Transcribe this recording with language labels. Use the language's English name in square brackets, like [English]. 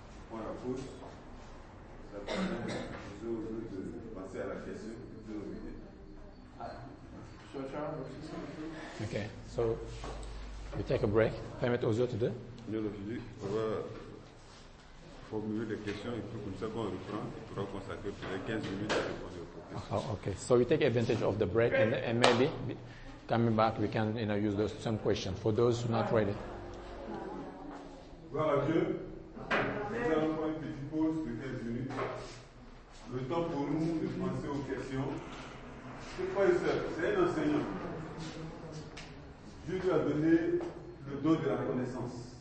[French] Pour la pause, ça permet de passer à la question. 2 minutes. Je vais faire un peu plus. [English] Okay, so we take a break. [French] Permet aux autres de. Bien entendu, on va formuler des questions et tout comme ça, on reprend. On pourra consacrer peut-être 15 minutes à répondre aux questions. [English] Oh, okay, so we take advantage of the break and maybe coming back, we can, you know, use those, some questions for those who are not ready. [French] Gloire à Dieu. Nous allons faire une petite pause de 15 minutes. Le temps pour nous de penser aux questions. C'est pas une seule, c'est un enseignant. Dieu lui a donné le don de la connaissance.